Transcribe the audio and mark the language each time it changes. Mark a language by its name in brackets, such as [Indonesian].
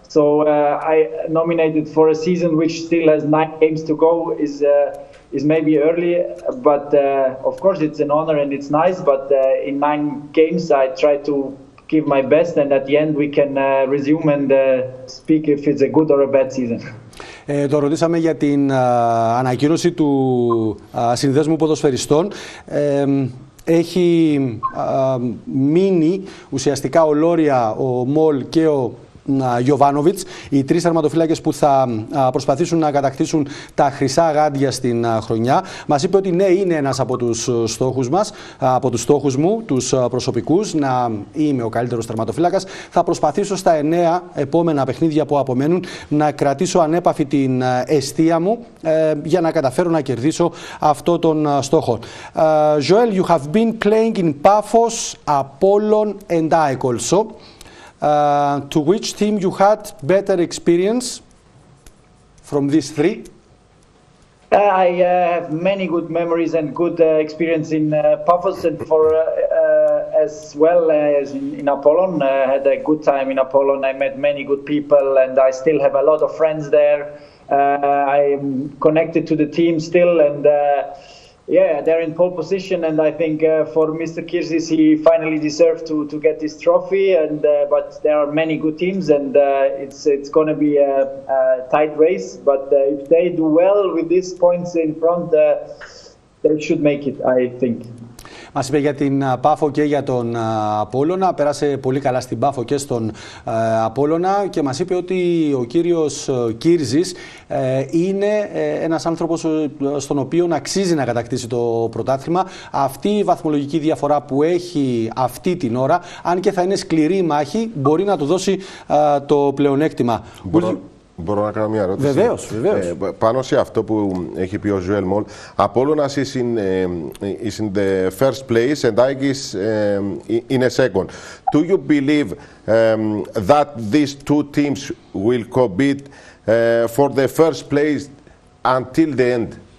[English] So I nominated for a season which still has 9 games to go is maybe early, but of course it's an honor and it's nice, but in 9 games I try to give my best, and at the end we can resume and speak if it's a good or a bad season. [Greek] Το ρωτήσαμε για την ανακοίνωση του Συνδέσμου Ποδοσφαιριστών. Έχει μείνει ουσιαστικά ολόρια ο Μολ και ο Γιοβάνοβιτς, οι τρεις θερματοφύλακες που θα προσπαθήσουν να κατακτήσουν τα χρυσά γάντια στην χρονιά. Μας είπε ότι ναι, είναι ένας από τους στόχους μας, από τους στόχους μου, τους προσωπικούς, να είμαι ο καλύτερος θερματοφύλακας. Θα προσπαθήσω στα 9 επόμενα παιχνίδια που απομένουν να κρατήσω ανέπαφη την αιστεία μου για να καταφέρω να κερδίσω αυτό τον στόχο. [English] Joel, you have been playing in Paphos, Apollon and I also. To which team you had better experience from these three? I have many good memories and good experience in Paphos and for as well as in Apollon. I had a good time in Apollon. I met many good people and I still have a lot of friends there. I am connected to the team still, and yeah, they're in pole position, and I think for Mr. Kirsis, he finally deserved to get this trophy. And but there are many good teams, and it's going to be a tight race. But if they do well with these points in front, they should make it, I think. [Greek] Μας είπε για την Πάφο και για τον Απόλλωνα. Πέρασε πολύ καλά στην Πάφο και στον Απόλλωνα και μας είπε ότι ο κύριος Κύρζης είναι ένας άνθρωπος στον οποίο αξίζει να κατακτήσει το πρωτάθλημα. Αυτή η βαθμολογική διαφορά που έχει αυτή την ώρα, αν και θα είναι σκληρή μάχη, μπορεί να του δώσει το πλεονέκτημα. Μπορώ να κάνω μια ερώτηση? Βεβαίως, βεβαίως. Πάνω σε αυτό που έχει πει ο [English] Joel Mol, Απόλλωνας is in the first place and Aegis in a second. Do you believe that these two teams will compete for the first place until the end?